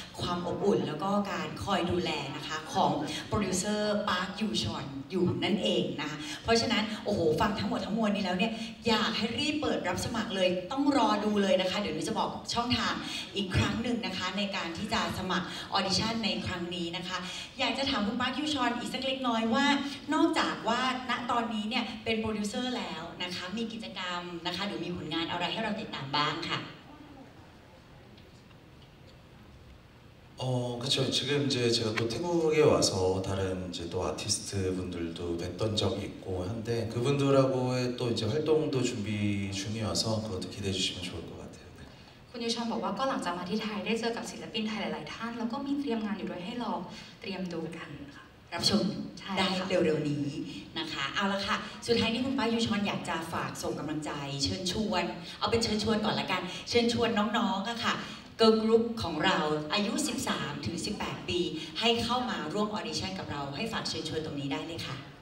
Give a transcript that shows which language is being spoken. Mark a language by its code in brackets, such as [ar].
[th] ความอบอุ่นแล้วก็การคอยดูแลนะคะของโปรดิวเซอร์ปาร์คยูชอนอยู่นั่นเองนะคะเพราะฉะนั้นโอ้โหฟังทั้งหมดทั้งมวลนี้แล้วเนี่ยอยากให้รีบเปิดรับสมัครเลยต้องรอดูเลยนะคะเดี๋ยวนี้จะบอกช่องทางอีกครั้งหนึ่งนะคะในการที่จะสมัครออดิชั่นในครั้งนี้นะคะอยากจะถามคุณปาร์คยูชอนอีกสักเล็กน้อยว่านอกจากว่าณตอนนี้เนี่ยเป็นโปรดิวเซอร์แล้วนะคะมีกิจกรรมนะคะหรือมีผลงานอะไรให้เราติดตามบ้างค่ะ [ko] 그렇죠. 지금 이제 제가 또 태국에 와서 다른 이제 또 아티스트 분들도 뵀던 적이 있고 한데 그분들하고 또 이제 활동도 준비 중이어서 그것도 기대해 주시면 좋을 것 같아요. [th] 그 유찬 บอก ว่า ก็ หลัง จาก มา ที่ ไทย ได้ เจอ กับ ศิลปิน ไทย หลาย ๆ ท่าน แล้ว ก็ มี เตรียม งาน อยู่ ด้วย ให้ เรา เตรียม ดู กัน ค่ะ รับชมได้เร็วๆนี้นะคะเอาละค่ะสุดท้ายนี้คุณป้ายูชอนอยากจะฝากส่งกำลังใจเชิญชวนเอาเป็นเชิญชวนก่อนละกันเชิญชวนน้องๆอะค่ะเกิร์ลกรุ๊ปของเราอายุ13ถึง18ปีให้เข้ามาร่วมออดิชั่นกับเราให้ฝากเชิญชวนตรงนี้ได้เลยค่ะ